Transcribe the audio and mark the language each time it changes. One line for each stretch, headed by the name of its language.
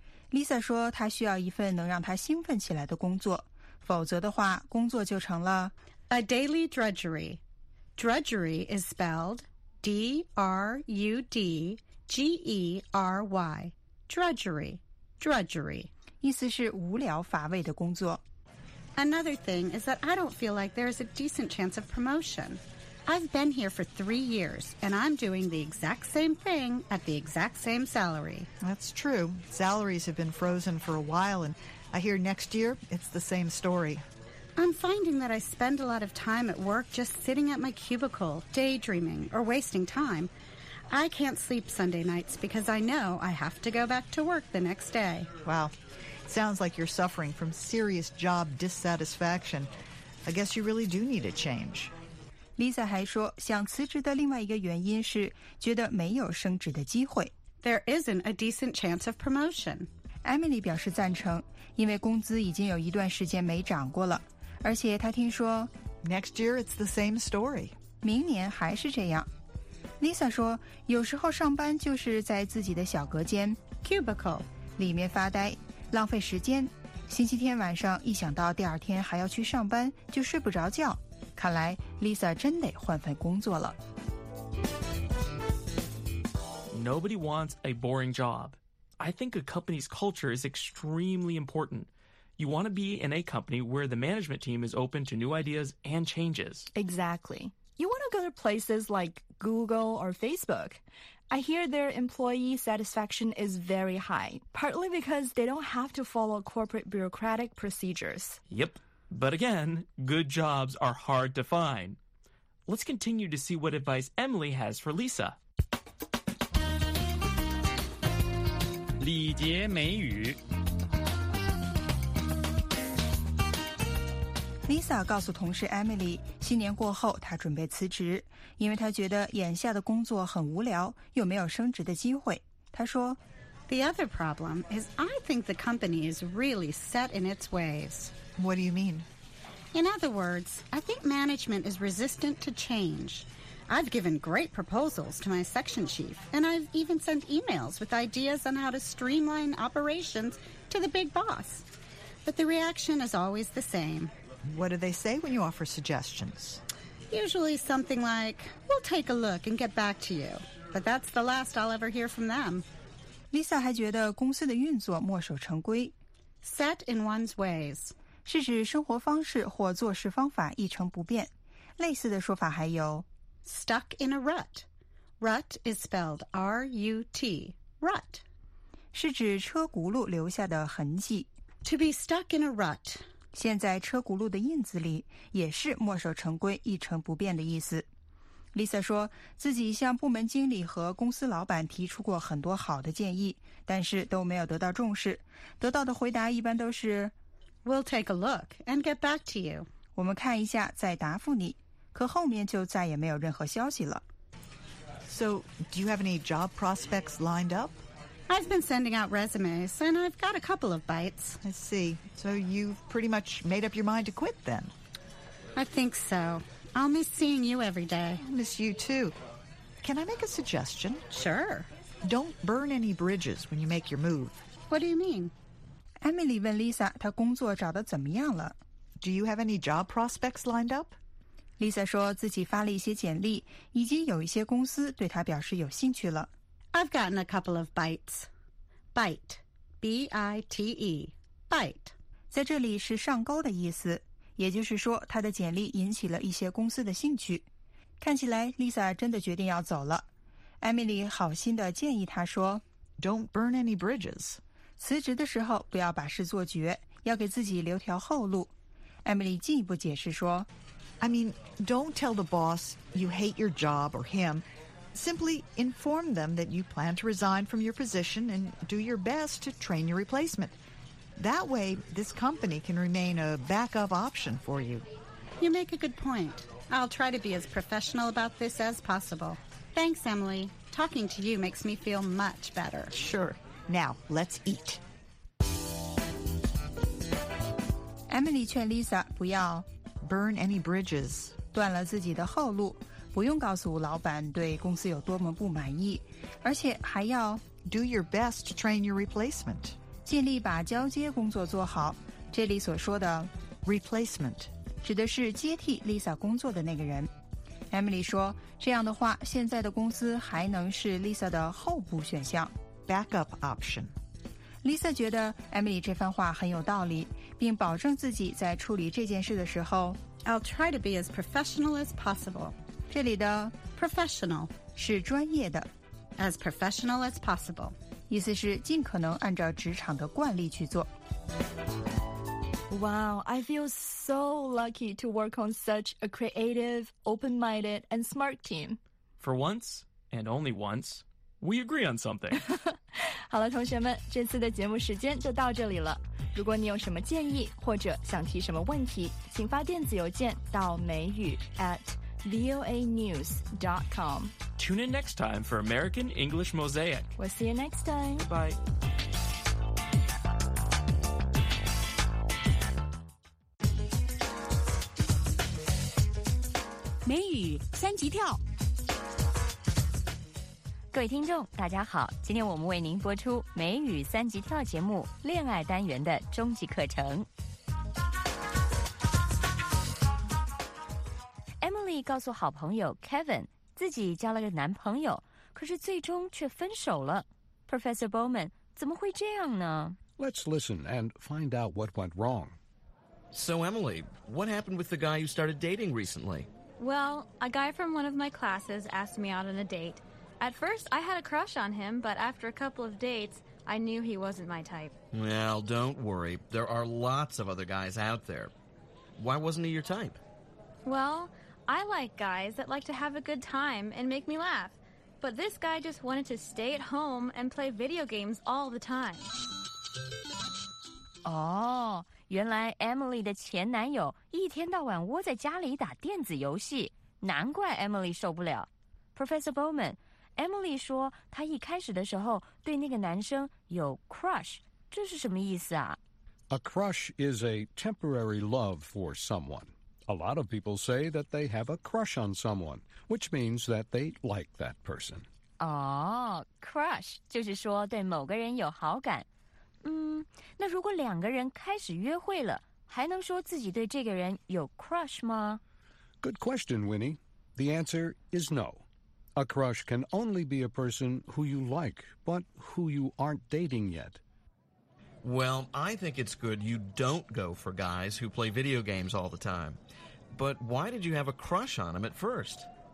Chinese: Lisa 说她需要一份能让她兴奋起来的工作，否则的话工作就成了
English: A daily drudgery. Drudgery is spelled D-R-U-D-G-E-R-Y. Drudgery. Drudgery.
Chinese: 意思是无聊乏味的工作。
English: Another thing is that I don't feel like there is a decent chance of promotion. I've been here for 3 years, and I'm doing the exact same thing at the exact same salary. That's true. Salaries have been frozen for a while, and I hear next year it's the same story. I'm finding that I spend a lot of time at work just sitting at my cubicle, daydreaming, or wasting time. I can't sleep Sunday nights because I know I have to go back to work the next day. Wow. Sounds like you're suffering from serious job dissatisfaction. I guess you really do need a change.
Chinese: Lisa 还说想辞职的另外一个原因是觉得没有升职的机会。
English: there isn't a decent chance of promotion.
Chinese: Emily 表示赞成，因为工资已经有一段时间没涨过了，而且她听说
English: Next year it's the same story.
Chinese: 明年还是这样。 Lisa 说，有时候上班就是在自己的小隔间
English: cubicle
Chinese: 里面发呆，浪费时间。星期天晚上一想到第二天还要去上班，就睡不着觉。看来 Lisa 真得换份工作了。
English: Nobody wants a boring job. I think a company's culture is extremely important. You want to be in a company where the management team is open to new ideas and changes. Exactly. You want to go to places like Google or Facebook. I hear their employee satisfaction is very high, partly because they don't have to follow corporate bureaucratic procedures. Yep. But again, good jobs are hard to find. Let's continue to see what advice Emily has for Lisa.
Chinese: 礼节美语 Lisa 告诉同事 Emily, 新年过后她准备辞职。因为他觉得眼下的工作很无聊，又没有升职的机会。他说
English: The other problem is I think the company is really set in its ways. What do you mean? In other words, I think management is resistant to change. I've given great proposals to my section chief, and I've even sent emails with ideas on how to streamline operations to the big boss. But the reaction is always the same. What do they say when you offer suggestions? Usually something like, we'll take a look and get back to you. But that's the last I'll ever hear from them.
Chinese: Lisa 还觉得公司的运作墨守成规。
English: Set in one's ways.
Chinese: 是指生活方式或做事方法一成不变。类似的说法还有
English: Stuck in a rut. Rut is spelled R-U-T. Rut.
Chinese: 是指车轱辘留下的痕迹。
English: To be stuck in a rut.
Chinese: 现在车轱辘的印子里也是墨守成规一成不变的意思。 Lisa 说自己向部门经理和公司老板提出过很多好的建议，但是都没有得到重视。得到的回答一般都是
English: We'll take a look and get back to you.
Chinese: 我们看一下再答复你。可后面就再也没有任何消息了。
English: So, do you have any job prospects lined up? I've been sending out resumes, and I've got a couple of bites. I see. So you've pretty much made up your mind to quit, then? I think so. I'll miss seeing you every day. I'll miss you, too. Can I make a suggestion? Sure. Don't burn any bridges when you make your move. What do you mean?
Chinese: Emily 问 Lisa 她工作找得怎么样了。
English: Do you have any job prospects lined up?
Chinese: Lisa 说自己发了一些简历，已经有一些公司对她表示有兴趣了。
English: I've gotten a couple of bites. Bite. B-I-T-E. Bite.
Chinese: 在这里是上钩的意思，也就是说她的简历引起了一些公司的兴趣。看起来 Lisa 真的决定要走了。Emily 好心地建议她说
English: Don't burn any bridges.
Chinese: 辞职的时候不要把事做绝，要给自己留条后路。 Emily 进一步解释说
English: I mean, don't tell the boss you hate your job or him. Simply inform them that you plan to resign from your position and do your best to train your replacement. That way, this company can remain a backup option for you. You make a good point. I'll try to be as professional about this as possible. Thanks, Emily. Talking to you makes me feel much better. Sure. Now, let's eat.
Chinese: Emily 劝 Lisa 不要
English: burn any bridges.
Chinese: 断了自己的后路。不用告诉老板对公司有多么不满意，而且还要
English: do your best to train your replacement，
Chinese: 尽力把交接工作做好。这里所说的
English: replacement
Chinese: 指的是接替 Lisa 工作的那个人。Emily 说，这样的话，现在的公司还能是 Lisa 的候补选项
English: backup option。
Chinese: Lisa 觉得 Emily 这番话很有道理，并保证自己在处理这件事的时候
English: I'll try to be as professional as possible.
Chinese: 这里的
English: professional
Chinese: 是专业的
English: as professional as possible
Chinese: 意思是尽可能按照职场的惯例去做
English: Wow, I feel so lucky to work on such a creative, open-minded, and smart team. For once, and only once, we agree on something.
Chinese: 好了，同学们，这次的节目时间就到这里了。如果你有什么建议或者想提什么问题，请发电子邮件到美语@
English: voanews.com. Tune in next time for American English Mosaic. We'll see you next time. Bye.
Chinese: 美语三级跳。各位听众大家好，今天我们为您播出美语三级跳节目恋爱单元的终极课程。 Emily 告诉好朋友 Kevin 自己交了个男朋友，可是最终却分手了。 Professor Bowman 怎么会这样呢？
English: Let's listen and find out what went wrong. So Emily, what happened with the guy you started dating recently? Well, a guy from one of my classes asked me out on a dateAt first, I had a crush on him, but after a couple of dates, I knew he wasn't my type. Well, don't worry. There are lots of other guys out there. Why wasn't he your type? Well, I like guys that like to have a good time and make me laugh. But this guy just wanted to stay at home and play video games all the time.
Chinese: Oh, 原来 Emily 的前男友一天到晚窝在家里打电子游戏，难怪 Emily 受不了。 Professor Bowman,Emily 说她一开始的时候对那个男生有 crush, 这是什么意思啊？
English: A crush is a temporary love for someone. A lot of people say that they have a crush on someone, which means that they like that person.
Chinese: Crush 就是说对某个人有好感。那如果两个人开始约会了，还能说自己对这个人有 crush 吗？
English: Good question, Winnie. The answer is no. A crush can only be a person who you like, but who you aren't dating yet. Well, I think it's good you don't go for guys who play video games all the time. But why did you have a crush on him at first?